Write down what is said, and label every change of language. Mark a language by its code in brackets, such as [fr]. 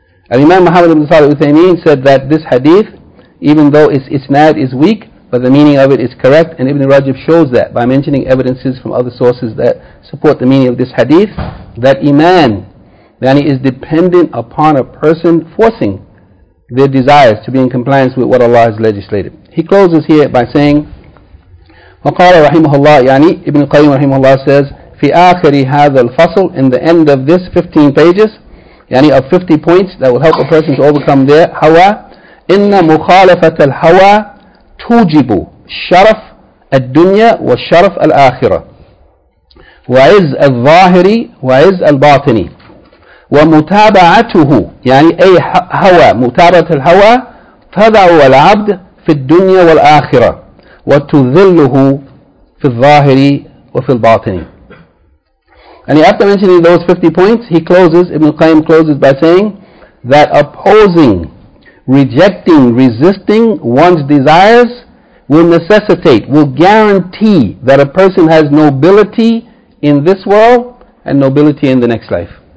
[en] Al-Imam Muhammad ibn Salih al-Uthaymeen said that this hadith, even though its isnad is weak, but the meaning of it is correct, and Ibn Rajab shows that by mentioning evidences from other sources that support the meaning of this hadith, that iman, that he is dependent upon a person forcing their desires to be in compliance with what Allah has legislated. He closes here by saying, [ar] وَقَالَ رَحِمُهُ اللَّهِ يعني [en] Ibn Qayyim رحمه الله says, [ar] فِي آخَرِ هَذَا الْفَصْلِ [en] in the end of this 15 pages, يعني of 50 points that will help a person to overcome their hawa, [ar] إِنَّ مُخَالَفَةَ الْحَوَى تُوجِبُ شَرَفْ الدُّنْيَا وَشَرَفْ الْآخِرَةِ وَعِزْ الظَّاهِرِ وَعِزْ الْبَاطِنِ وَمُتَابَعَتُهُ يعني أي هوى متابعة الهوى تضع العبد في الدنيا والآخرة وتذله في الظاهر وفي الباطن. [en] And after mentioning those 50 points, he closes, Ibn Qayyim closes by saying that opposing, rejecting, resisting one's desires will necessitate, will guarantee that a person has nobility in this world and nobility in the next life.